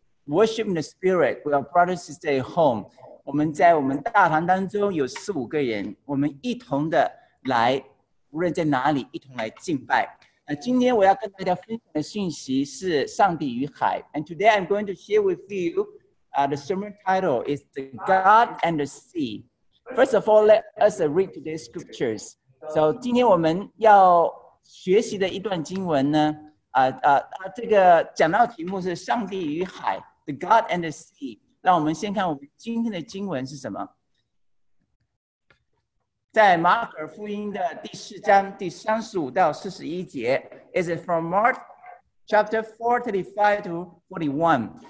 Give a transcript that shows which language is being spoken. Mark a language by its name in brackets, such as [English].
[English] Worship in the spirit, we are brothers and sisters at home. [Chinese] 我们在我们大堂当中有四五个人，我们一同的来，无论在哪里，一同来敬拜。那今天我要跟大家分享的信息是上帝与海。 [English] And today I'm going to share with you, the sermon title is "The God and the Sea." First of all, let us read today's scriptures. [Chinese] So 今天我们要学习的一段经文呢，这个讲到题目是上帝与海。 [English] The God and the Sea， [Chinese] 让我们先看我们今天的经文是什么？在马可福音的第四章第三十五到四十一节， [English] Is it from Mark chapter 4:35 to 41？